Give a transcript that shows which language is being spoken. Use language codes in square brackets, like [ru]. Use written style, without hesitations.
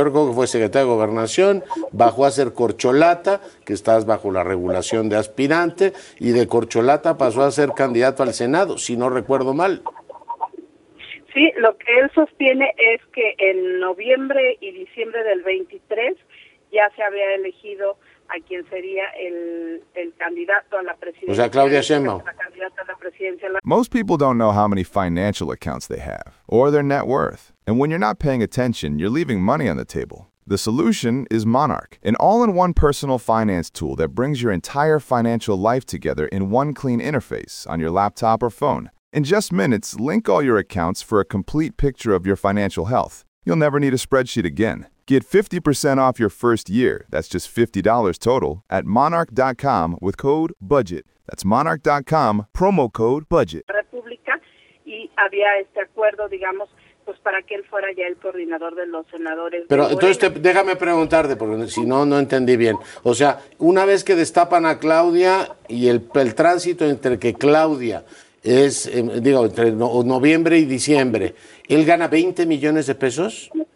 [es] Yo recuerdo que fue secretario de Gobernación, bajó a ser corcholata, que estás bajo la regulación de aspirante, y de corcholata pasó a ser candidato al Senado, si no recuerdo mal. Sí, lo que él sostiene es que en noviembre y diciembre del 23 ya se había elegido a quien sería el candidato a la presidencia. O sea, Claudia Sheinbaum. [en] Most people don't know how many financial accounts they have or their net worth. And when you're not paying attention, you're leaving money on the table. The solution is Monarch, an all-in-one personal finance tool that brings your entire financial life together in one clean interface on your laptop or phone. In just minutes, link all your accounts for a complete picture of your financial health. You'll never need a spreadsheet again. Get 50% off your first year, that's just $50 total, at monarch.com with code BUDGET. That's monarch.com, promo code BUDGET. [es] República, y había este acuerdo, digamos, pues para que él fuera ya el coordinador de los senadores. Pero entonces déjame preguntarte, porque si no, no entendí bien. O sea, una vez que destapan a Claudia y el tránsito entre que Claudia es, entre noviembre y diciembre, ¿él gana 20 millones de pesos?